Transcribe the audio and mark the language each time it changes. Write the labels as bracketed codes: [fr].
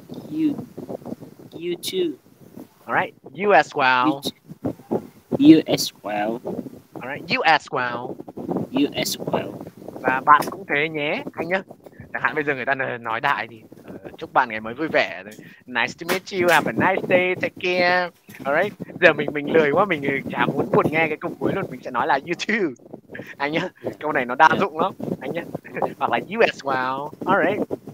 [en] You too. All right, you as well. You as well. All right, you as well. You as well. [vi] Và bạn cũng thế nhé, anh nhá. Chẳng hạn bây giờ người ta nói đại thì chúc bạn ngày mới vui vẻ. [en] Nice to meet you, have a nice day, take care. Alright, [vi] giờ mình lười quá, mình chả muốn buồn nghe cái câu cuối luôn. Mình sẽ nói là [en] you too. [vi] Anh nhá, câu này nó đa dụng lắm. Anh nhá, hoặc là [en] you as well. Alright,